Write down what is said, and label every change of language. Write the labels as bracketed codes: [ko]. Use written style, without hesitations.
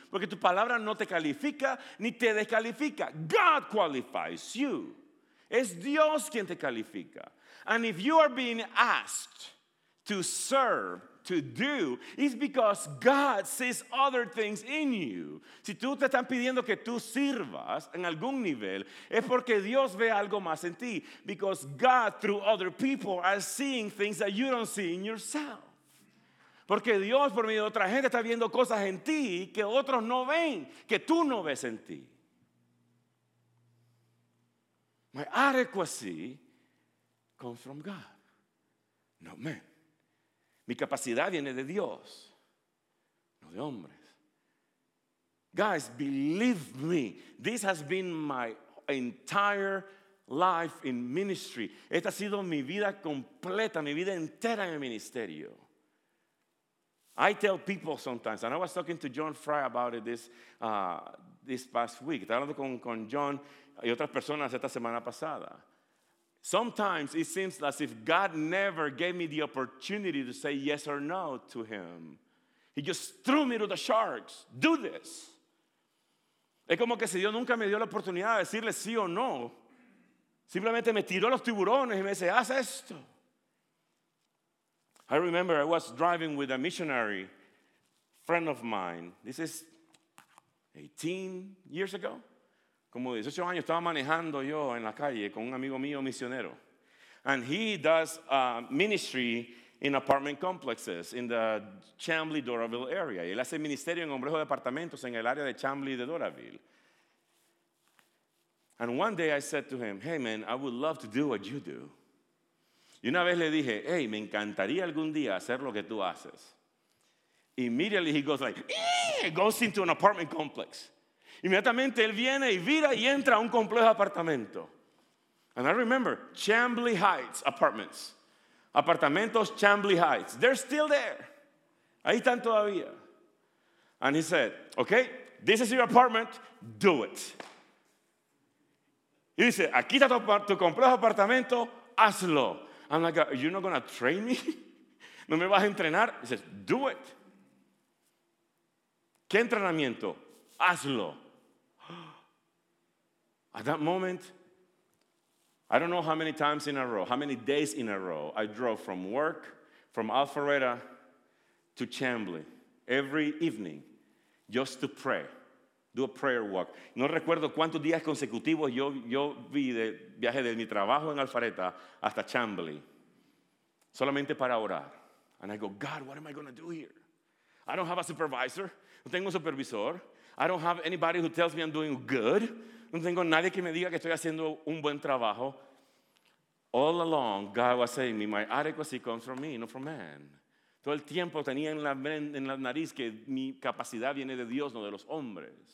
[es] Porque tu palabra no te califica ni te descalifica. [en] God qualifies you. [es] Es Dios quien te califica. [en] And if you are being asked to serve, to do, it's because God sees other things in you. [es] Si tú te están pidiendo que tú sirvas en algún nivel, es porque Dios ve algo más en ti. [en] Because God, through other people, are seeing things that you don't see in yourself. [es] Porque Dios, por medio de otra gente, está viendo cosas en ti que otros no ven, que tú no ves en ti. [en] My adequacy comes from God, no man. [es] Mi capacidad viene de Dios, no de hombres. [en] Guys, believe me, this has been my entire life in ministry. [es] Esta ha sido mi vida completa, mi vida entera en el ministerio. [en] I tell people sometimes, and I was talking to John Fry about it this past week. [es] Estaba hablando con John y otras personas esta semana pasada. [en] Sometimes it seems as if God never gave me the opportunity to say yes or no to him. He just threw me to the sharks. Do this. [es] Es como que si Dios nunca me dio la oportunidad de decirle sí o no. Simplemente me tiró a los tiburones y me dice, haz esto. [en] I remember I was driving with a missionary friend of mine. This is 18 years ago. [es] Como 18 años estaba manejando yo en la calle con un amigo mío misionero. [en] And he does ministry in apartment complexes in the Chamblee-Doraville area. [es] Y él hace ministerio en complejos de apartamentos en el área de Chamblee de Doraville. [en] And one day I said to him, hey man, I would love to do what you do. [es] Y una vez le dije, hey, me encantaría algún día hacer lo que tú haces. [en] Immediately he goes like, goes into an apartment complex. [es] Inmediatamente él viene y vira y entra a un complejo de apartamento. [en] And I remember, Chamblee Heights Apartments. [es] apartamentos Chamblee Heights. [en] They're still there. [es] Ahí están todavía. [en] And he said, okay, this is your apartment, do it. [es] Y dice, aquí está tu complejo de apartamento, hazlo. [en] I'm like, are you not going to train me? [es] ¿No me vas a entrenar? [en] He says, do it. [es] ¿Qué entrenamiento? Hazlo. [en] At that moment, I don't know how many times in a row, how many days in a row, I drove from work, from Alpharetta to Chamblee every evening just to pray, do a prayer walk. [es] No recuerdo cuántos días consecutivos yo vi de viaje de mi trabajo en Alpharetta hasta Chamblee, solamente para orar. [en] And I go, God, what am I going to do here? I don't have a supervisor. [es] No tengo un supervisor. [en] I don't have anybody who tells me I'm doing good. [es] No tengo nadie que me diga que estoy haciendo un buen trabajo. [en] All along, God was saying me, my adequacy comes from me, not from man. [es] Todo el tiempo tenía en la nariz que mi capacidad viene de Dios, no de los hombres.